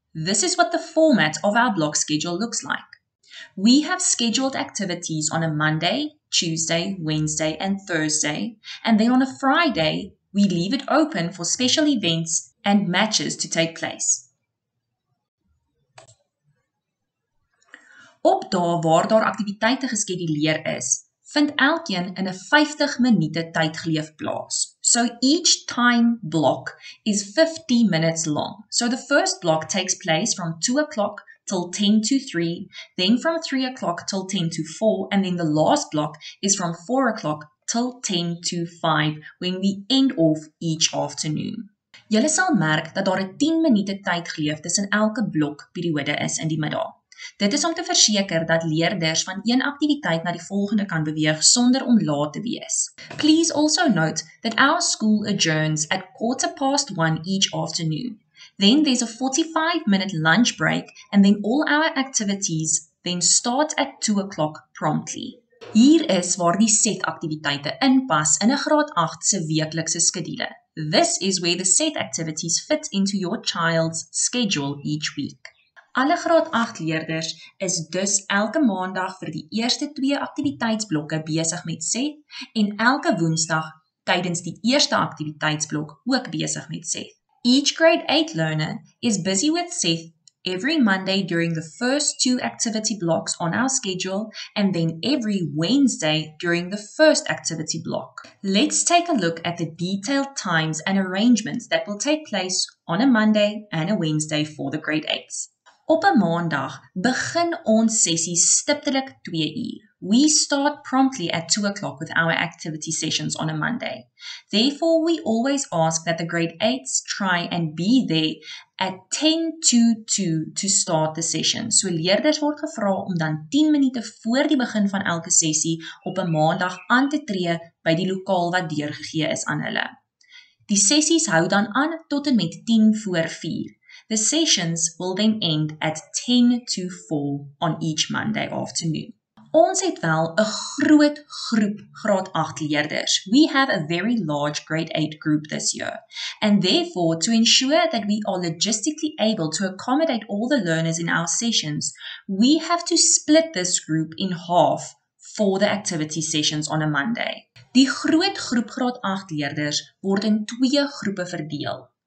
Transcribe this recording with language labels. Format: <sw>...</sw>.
<en>This is what the format of our block schedule looks like. We have scheduled activities on a Monday, Tuesday, Wednesday and Thursday, and then on a Friday, we leave it open for special events and matches to take place.</en> <af>Op dae waar daar aktiwiteite geskeduleer is, vind elkeen in 'n 50 minute tydgeleef plaas.</af> <en>So each time block is 50 minutes long. So the first block takes place from 2 o'clock till 10 to 3, then from 3 o'clock till 10 to 4, and then the last block is from 4 o'clock till 10 to 5, when we end off each afternoon.</en> <af>Julle sal merk dat daar 'n 10 minute tydgeleef tussen elke blok periode is in die middag. Dit is om te verseker dat leerders van een aktiwiteit na die volgende kan beweeg sonder om laat te wees.</af> <en>Please also note that our school adjourns at 1:15 each afternoon. Then there's a 45-minute lunch break and then all our activities then start at 2 o'clock promptly.</en> <af>Hier is waar die set aktiwiteite inpas in 'n graad 8 se weeklikse skedule.</af> <en>This is where the set activities fit into your child's schedule each week.</en> <af>Alle graad 8 leerders is dus elke maandag vir die eerste 2 aktiwiteitsblokke besig met Seth en elke woensdag tydens die eerste aktiwiteitsblok ook besig met Seth.</af> <en>Each grade 8 learner is busy with Seth every Monday during the first 2 activity blocks on our schedule and then every Wednesday during the first activity block. Let's take a look at the detailed times and arrangements that will take place on a Monday and a Wednesday for the grade 8s.</en> <af>Op 'n maandag begin ons sessie stiptelik 2 uur.</af> <en>We start promptly at 2 o'clock with our activity sessions on a Monday. Therefore, we always ask that the grade 8s try and be there at 10 to 2 to start the session.</en> <af>So leerders word gevra om dan 10 minute voor die begin van elke sessie op 'n maandag aan te tree by die lokaal wat deurgegee is aan hulle. Die sessies hou dan aan tot en met 10 voor 4.</af> <en>The sessions will then end at 10 to 4 on each Monday afternoon.</en> <af>Ons het wel 'n groot groep graad 8 leerders.</af> <en>We have a very large grade 8 group this year. And therefore, to ensure that we are logistically able to accommodate all the learners in our sessions, we have to split this group in half for the activity sessions on a Monday.</en> <af>Die groot groep graad 8 leerders word in 2 groepe verdeel.</af>